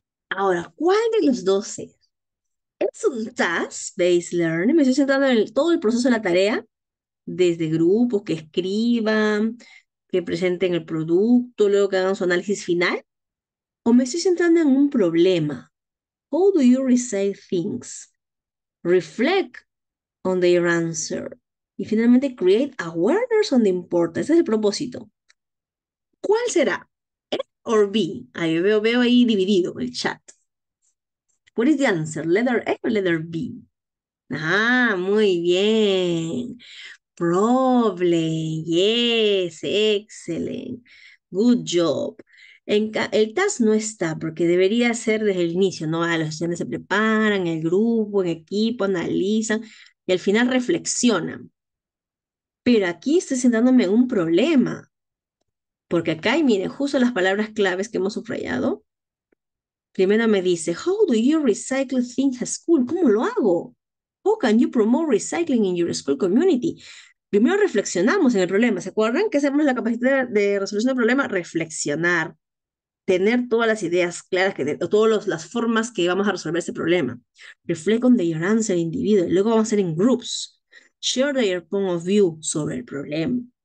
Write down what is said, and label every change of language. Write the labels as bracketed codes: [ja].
[es] Ahora, ¿cuál de los 12? Es un task-based learning. Me estoy centrando en todo el proceso de la tarea, desde grupos que escriban, que presenten el producto, luego que hagan su análisis final. O me estoy centrando en un problema. [en] How do you resolve things? Reflect on their answer. [es] Y finalmente, [en] create awareness on the importance. [es] Ese es el propósito. ¿Cuál será? ¿A or B? Ahí veo ahí dividido el chat. [en] What is the answer? [es] ¿Letter A o letter B? Ah, muy bien. [en] Problem. Yes, excellent. Good job. [es] El task no está porque debería ser desde el inicio, ¿no? Los estudiantes se preparan, el grupo, el equipo, analizan y al final reflexionan. Pero aquí estoy centrándome en un problema. Porque acá, y miren, justo las palabras claves que hemos subrayado. Primero me dice, [en] how do you recycle things at school? [es] ¿Cómo lo hago? [en] How can you promote recycling in your school community? [es] Primero reflexionamos en el problema. ¿Se acuerdan que hacemos la capacidad de resolución del problema? Reflexionar. Tener todas las ideas claras que o todas las formas que vamos a resolver ese problema. [en] Reflect on the your answer individual. [es] Luego vamos a hacer en [en] groups. Share your point of view [es] sobre el problema.